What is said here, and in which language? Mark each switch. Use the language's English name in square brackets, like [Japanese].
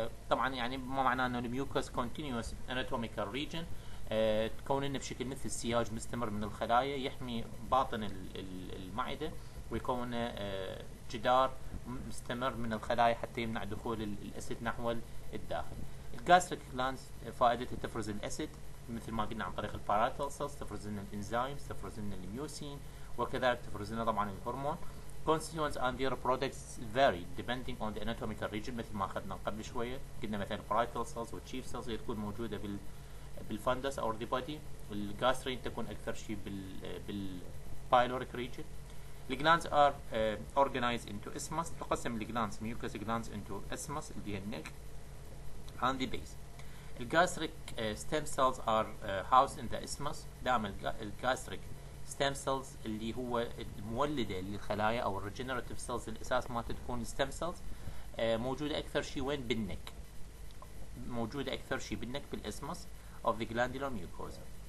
[Arabic] طبعا يعني ما معناه انه الميوكوس كونتينيوس اناتوميكال ريجن، تكوننا بشكل مثل سياج مستمر من الخلايا يحمي باطن المعده، ويكون جدار مستمر من الخلايا حتى يمنع دخول الاسيد نحو الداخل. الجاستريك جلاندز فائدتها تفرز الاسيد مثل ما قلنا عن طريق البارايتال سيلز، تفرز لنا الانزيمز، تفرز لنا الميوسين، وكذلك تفرز لنا طبعا الهرمون. [English] Constituents and their products vary depending on the anatomical region، [Arabic] مثل ما اخذنا قبل شويه قلنا مثلا [English] parietal cells والchief cells هي تكون موجوده بالفندس او the body، والgastrin تكون اكثر شيء بالpyloric region. The glands are organized into isthmus، [Arabic] تقسم الجلانس [English] mucous glands into isthmus اللي هي النك and the base. [Arabic] الgastric [English] stem cells are housed in the isthmus، [Arabic] دائما الgastric ستيم سيلز اللي هو المولده للخلايا او الريجنريتيف سيلز الاساس ما تكون ستيم سيلز، موجوده اكثر شيء وين؟ بالنك، موجوده اكثر شيء بالنك بالاسمس اوف ذا جلاندولار ميوكوزا.